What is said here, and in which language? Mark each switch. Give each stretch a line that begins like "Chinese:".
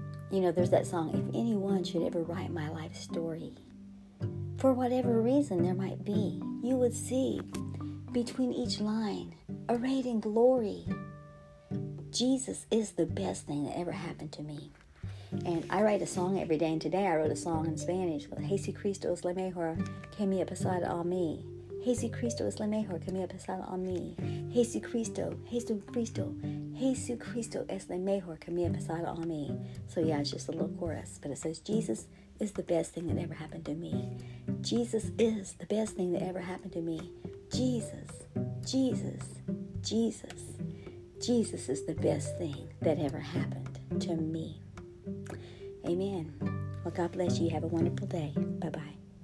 English: There's that song, if anyone should ever write my life story, for whatever reason there might be, you would see between each line, arrayed in glory, Jesus is the best thing that ever happened to me. And I write a song every day, and today I wrote a song in Spanish.
Spanish: Jesus Cristo es la mejor, que me ha pasado a mí. Jesus Cristo es la mejor, que me ha pasado a mí. Jesus Cristo, Jesus Cristo, Jesus Cristo es la mejor, que me ha pasado a mí.
English: So yeah, it's just a little chorus, but it says, Jesus is the best thing that ever happened to me. Jesus is the best thing that ever happened to me. Jesus, Jesus, Jesus, Jesus is the best thing that ever happened to me. Amen. Well, God bless you. Have a wonderful day. Bye-bye.